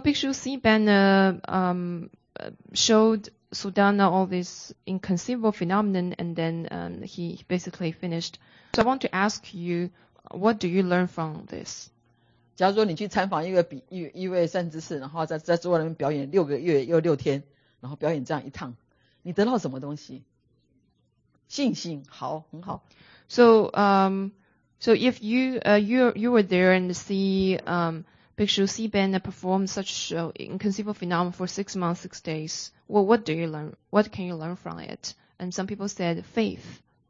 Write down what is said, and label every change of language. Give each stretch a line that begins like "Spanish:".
English: Bhikshu Siban showed Sudana all this inconceivable phenomenon, and then he basically finished. So I want to ask you, what do you learn from this?
Chinese: 假如说你去参访一个比喻，一位善知识，然后在座位里面表演六个月又六天，然后表演这样一趟，你得到什么东西？信心，好，很好。So
English: so if you you were there and see Bhikshu Siban perform such inconceivable phenomenon for 6 months, 6 days, well, what do you learn? What can you learn from it? And some people said faith.